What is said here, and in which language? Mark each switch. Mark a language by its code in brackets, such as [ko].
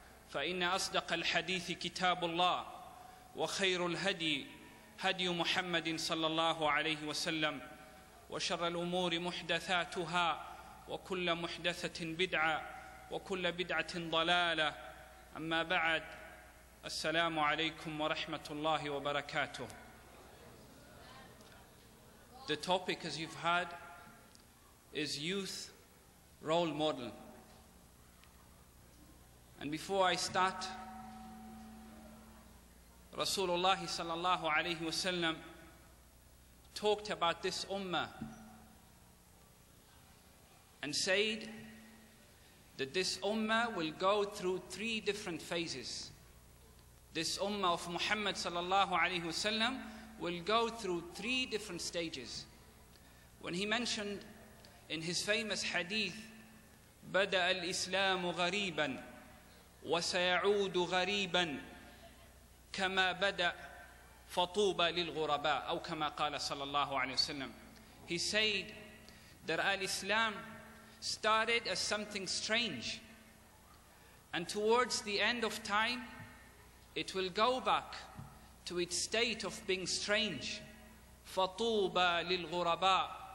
[ar] فإن أصدق الحديث كتاب الله وخير الهدي هدي محمد صلى الله عليه وسلم وشر الأمور محدثاتها وكل محدثة بدعة وكل بدعة ضلالة أما بعد السلام عليكم ورحمة الله وبركاته. [en] The topic, as you've heard, is youth role model. And before I start, Rasulullah sallallahu alayhi wa sallam talked about this ummah and said that this ummah will go through three different phases. This ummah of Muhammad sallallahu alayhi wa sallam will go through three different stages. When he mentioned in his famous hadith, [ar] بَدَأَ الْإِسْلَامُ غَرِيبًا وَسَيَعُودُ غَرِيبًا كَمَا بَدَأَ فَطُوبَ لِلْغُرَبَىٰ أو كما قال صلى الله عليه وسلم. [en] He said that al-Islam started as something strange, and towards the end of time, it will go back to its state of being strange. [ar] فَطُوبَ لِلْغُرَبَىٰ.